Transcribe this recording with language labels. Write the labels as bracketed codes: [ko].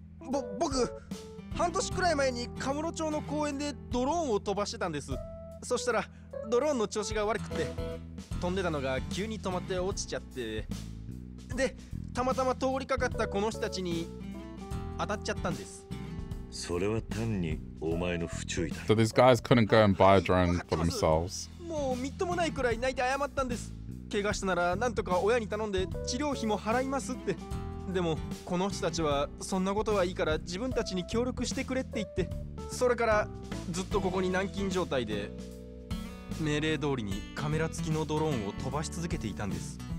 [ja] 僕、半年くらい前にカムロ町の公園でドローンを飛ばしてたんです。そしたらドローンの調子が悪くて飛んでたのが急に止まって落ちちゃって、でたまたま通りかかったこの人たちに当たっちゃったんです。それは単にお前の不注意だ。 [en] So these guys couldn't go and buy a drone for themselves. [ja] もうみっともないくらい泣いて謝ったんです。怪我したならなんとか親に頼んで治療費も払いますって。でもこの人たちはそんなことはいいから自分たちに協力してくれって言って、それからずっとここに軟禁状態で、命令通りにカメラ付きのドローンを飛ばし続けていたんです。